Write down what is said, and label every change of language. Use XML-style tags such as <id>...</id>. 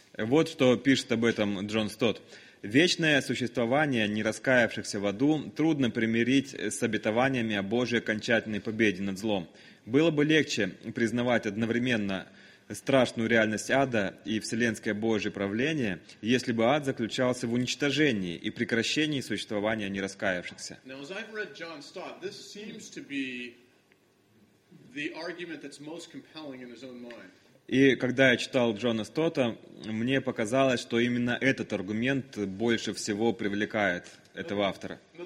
<ru>Вот что пишет об этом Джон Стотт. Вечное существование нераскаявшихся в аду трудно примирить с обетованиями о Божьей окончательной победе над злом. Было бы легче признавать одновременно страшную реальность ада и вселенское Божье правление, если бы ад заключался в уничтожении и прекращении существования нераскаявшихся.</ru> <en>Now, as I've read John Stott, this seems to be the argument that's most compelling in his own mind.</en> <ru>И когда я читал Джона Стотта, мне показалось, что именно этот аргумент больше всего привлекает этого автора.</ru>